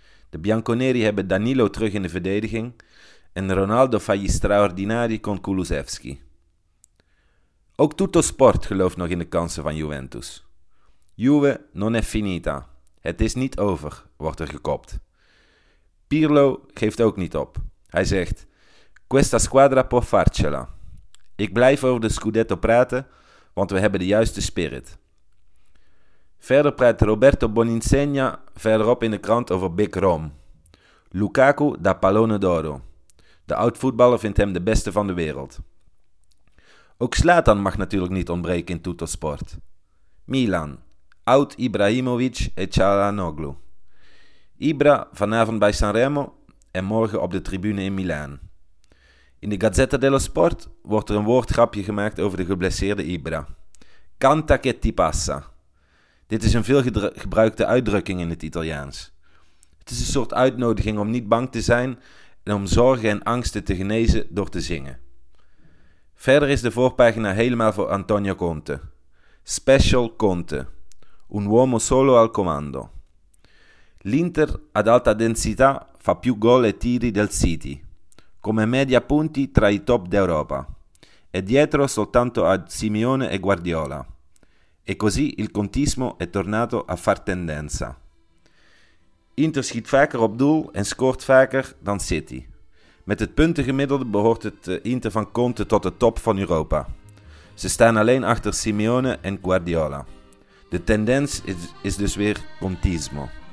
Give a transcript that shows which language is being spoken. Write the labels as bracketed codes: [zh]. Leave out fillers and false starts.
[nl] De Bianconeri hebben Danilo terug in de verdediging en Ronaldo [it] fagli straordinari con Kulusevski. [nl] Ook Tutto Sport gelooft nog in de kansen van Juventus. [it] Juve non è finita, [nl] het is niet over, wordt er gekopt. Pirlo geeft ook niet op. Hij zegt, [it] questa squadra può farcela. [nl] Ik blijf over de Scudetto praten, want we hebben de juiste spirit. Verder praat Roberto Boninsegna verderop in de krant over Big Rom. Lukaku [it] da Pallone d'Oro. [nl] De oud-voetballer vindt hem de beste van de wereld. Ook Zlatan mag natuurlijk niet ontbreken in Tutto Sport. Milan, oud Ibrahimovic e Calhanoglu. Ibra vanavond bij Sanremo en morgen op de tribune in Milaan. In de Gazzetta dello Sport wordt er een woordgrapje gemaakt over de geblesseerde Ibra. [it] Canta che ti passa. [nl] Dit is een veelgebruikte uitdrukking in het Italiaans. Het is een soort uitnodiging om niet bang te zijn en om zorgen en angsten te genezen door te zingen. Verder is de voorpagina helemaal voor Antonio Conte. [it] Special Conte. Un uomo solo al comando. L'Inter ad alta densità fa più gol e tiri del City, come media punti tra i top d'Europa, e dietro soltanto a Simeone e Guardiola. E così il contismo è tornato a far tendenza. [nl] Inter schiet vaker op doel en scoort vaker dan City. Met het puntengemiddelde behoort het Inter van Conte tot de top van Europa. Ze staan alleen achter Simeone en Guardiola. De tendens is dus weer contismo.